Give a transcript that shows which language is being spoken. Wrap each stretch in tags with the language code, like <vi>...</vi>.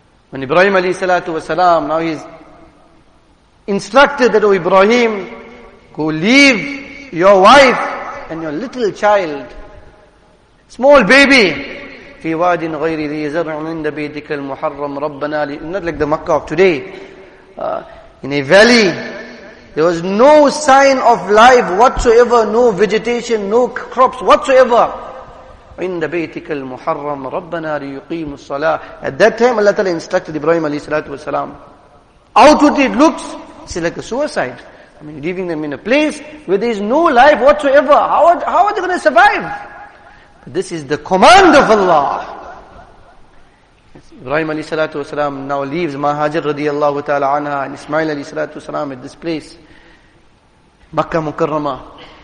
<en>When Ibrahim alayhi salatu wa salam, now he's instructed that, oh Ibrahim, go leave your wife and your little child, small baby,</en> <ar>في واد غير ذي زرع عند بيتك المحرم ربنا,</ar> <en>not like the Makkah of today, in a valley. There was no sign of life whatsoever, no vegetation, no crops whatsoever.</en> <ar>عند بيتك المحرم ربنا ليقيم الصلاة.</ar> <en>At that time, Allah Ta'ala instructed Ibrahim alayhi salatu wa salam. Outwardly it looks, it's like a suicide. I mean, leaving them in a place where there is no life whatsoever. How are they going to survive? But this is the command of Allah. Ibrahim alayhi salatu wasalam now leaves Mahajir radiallahu ta'ala anha and Ismail alayhi salatu wasalam at this place, Makkah Mukarramah.</en>